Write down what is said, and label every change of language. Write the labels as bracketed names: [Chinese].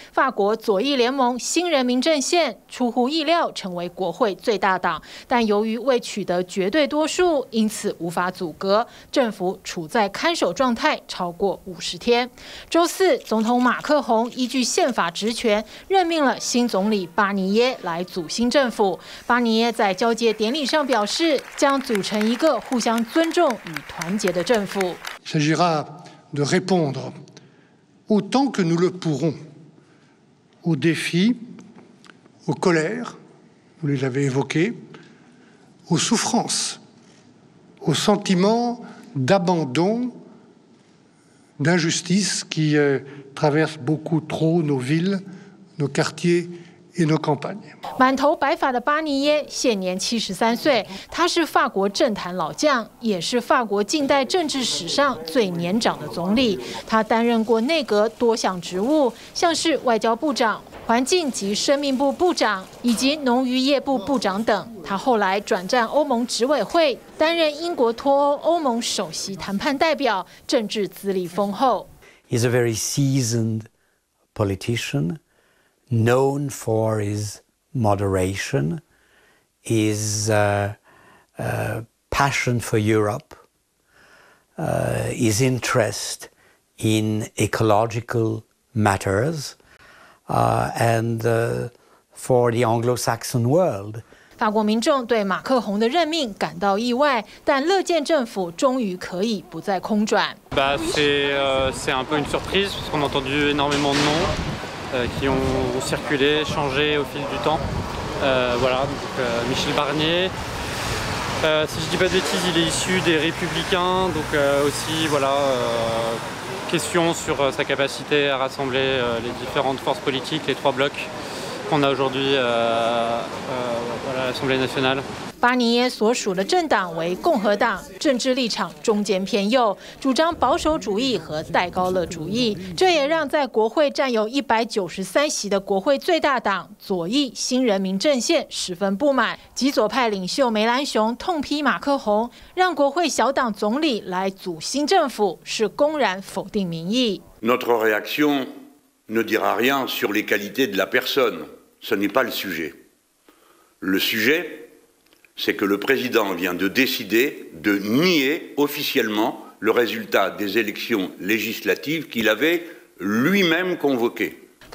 [Chinese] 法国左翼联盟新人民阵线出乎意料成为国会最大党，但由于未取得绝对多数，因此无法阻隔，政府处在看守状态超过50天。周四，总统马克宏依据宪法职权任命了新总理巴尼耶来组新政府。巴尼耶在交接典礼上表示，将组成一个互相尊重与团结的政府。 [French] Il s'agira de répondre autant que nous le pourrons aux défis, aux colères, vous les avez évoquées, aux souffrances, aux sentiments d'abandon, d'injustice qui traversent beaucoup trop nos villes, nos quartiers. [Chinese] 满头白发的巴尼耶现年73岁，他是法国政坛老将，也是法国近代政治史上最年长的总理。他担任过内阁多项职务，像是外交部长、环境及生命部部长以及农渔业部部长等。他后来转战欧盟执委会，担任英国脱欧欧盟首席谈判代表，政治资历丰厚。 [English] He's a very seasoned politician. Known for his moderation, his passion for Europe, his interest in ecological matters, and for the Anglo-Saxon world. [Chinese] 法国民众对马克宏的任命感到意外，但乐见政府终于可以不再空转。 [French] C'est un peu une surprise parce qu'on a entendu énormément de noms qui ont circulé, changé au fil du temps. Michel Barnier, Si je ne dis pas de bêtises, il est issu des Républicains, donc aussi, voilà, question sur sa capacité à rassembler les différentes forces politiques, les trois blocs qu'on a aujourd'hui à l'Assemblée nationale. [Chinese] 巴尼耶所属的政党为共和党，政治立场中间偏右，主张保守主义和戴高乐主义，这也让在国会占有193席的国会最大党左翼新人民阵线十分不满。极左派领袖梅兰雄痛批马克宏让国会小党总理来组新政府，是公然否定民意。 [French] Notre réaction ne dira rien sur les qualités de la personne. Ce n'est pas le sujet. Le sujet, c'est que le président vient de décider de nier officiellement le résultat des élections législatives qu'il avait lui-même convoquées.